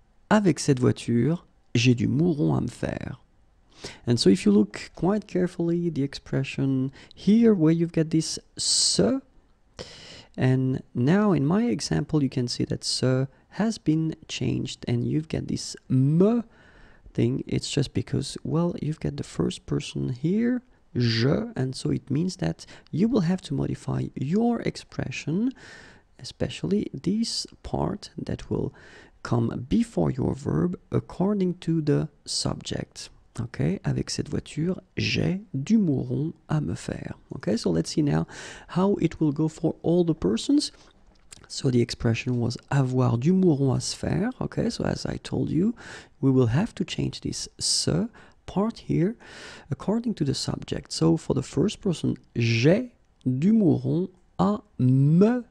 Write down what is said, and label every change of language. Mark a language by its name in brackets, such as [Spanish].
[French] Avec cette voiture, j'ai du mouron à me faire. [English] And so if you look quite carefully the expression here where you've got this se, and now in my example you can see that se has been changed and you've got this me thing. It's just because, well, you've got the first person here, je, and so it means that you will have to modify your expression, especially this part that will come before your verb according to the subject. [French] Okay, avec cette voiture, j'ai du mouron à me faire. [English] Okay, so let's see now how it will go for all the persons. So the expression was [French] avoir du mouron à se faire. [English] Okay, so as I told you, we will have to change this se part here according to the subject. So for the first person, [French] j'ai du mouron à me faire.